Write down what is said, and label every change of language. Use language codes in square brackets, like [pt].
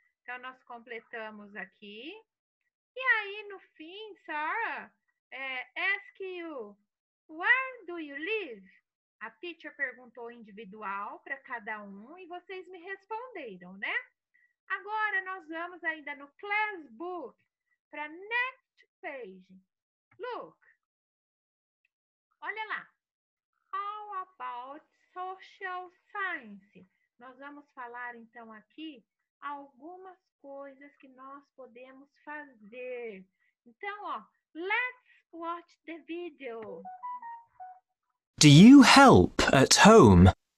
[pt] Então, nós completamos aqui. E aí, no fim, Sarah, [en] ask you, where do you live? [pt] A teacher perguntou individual para cada um e vocês me responderam, né? Agora, nós vamos ainda no class book para [en] next page. Look. [pt] Olha lá. [en] All about social science. [pt] Nós vamos falar, então, aqui algumas coisas que nós podemos fazer. Então, ó, [en] let's watch the video. Do you help at home?